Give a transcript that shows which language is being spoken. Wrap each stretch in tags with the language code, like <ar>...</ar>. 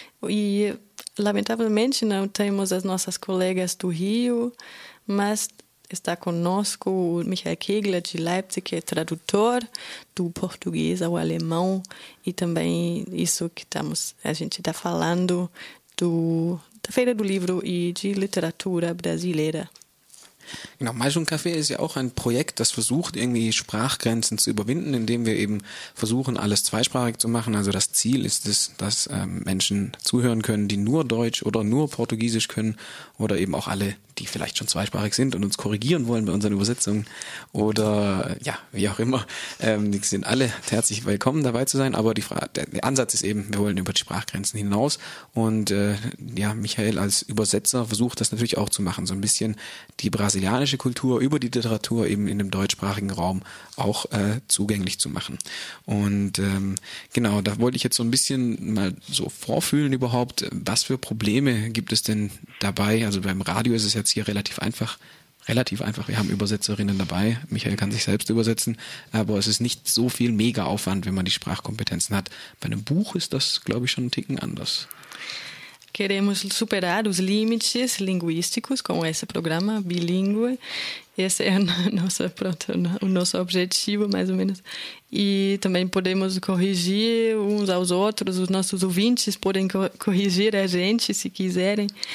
<pt>E, lamentavelmente, não temos as nossas colegas do Rio, mas está conosco o Michael Kegler de Leipzig, que é tradutor do português ao alemão e também isso que estamos, a gente está falando da Feira do Livro e de Literatura Brasileira.</pt> <de>Genau, Maisch und Kaffee ist ja auch ein Projekt, das versucht, irgendwie Sprachgrenzen zu überwinden, indem wir eben versuchen, alles zweisprachig zu machen. Also das Ziel ist es, dass Menschen zuhören können, die nur Deutsch oder nur Portugiesisch können oder eben auch alle, die vielleicht schon zweisprachig sind und uns korrigieren wollen bei unseren Übersetzungen oder ja, wie auch immer. Die sind alle herzlich willkommen, dabei zu sein. Aber der Ansatz ist eben, wir wollen über die Sprachgrenzen hinaus. Und Michael als Übersetzer versucht das natürlich auch zu machen, so ein bisschen die brasilianische Kultur über die Literatur eben in dem deutschsprachigen Raum auch zugänglich zu machen. Und da wollte ich jetzt so ein bisschen mal so vorfühlen überhaupt, was für Probleme gibt es denn dabei? Also beim Radio ist es jetzt hier relativ einfach, wir haben Übersetzerinnen dabei, Michael kann sich selbst übersetzen, aber es ist nicht so viel Mega-Aufwand, wenn man die Sprachkompetenzen hat. Bei einem Buch ist das, glaube ich, schon ein Ticken anders.</de> <pt>Queremos superar os limites linguísticos com esse programa bilíngue. Esse é o nosso objetivo, mais ou menos. E também podemos corrigir uns aos outros. Os nossos ouvintes podem corrigir a gente, se quiserem.</pt>